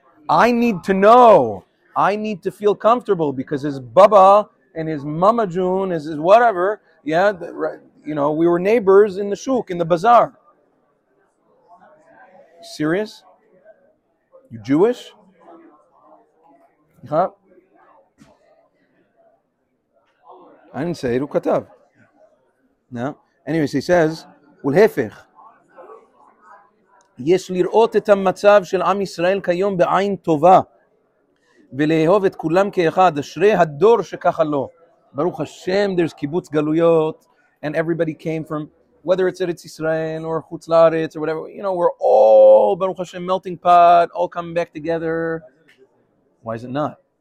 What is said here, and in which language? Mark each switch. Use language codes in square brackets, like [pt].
[en] I need to know. I need to feel comfortable because his baba and his mama June is his whatever. Yeah, right. You know, we were neighbors in the shuk, in the bazaar. Serious? You Jewish? Huh? I didn't say it, [he] הוא כתב. [en] No? Anyways, he says, [he] ולהפך, יש לראות את המצב של עם ישראל כיום בעין טובה, ולאהוב את כולם כאחד, אשרי הדור שככה לו. [en] ברוך השם, there's קיבוץ גלויות, and everybody came from, whether it's Eretz Yisrael, or חוץ לארץ, or whatever, you know, we're all, ברוך השם, melting pot, all coming back together. Why is it not?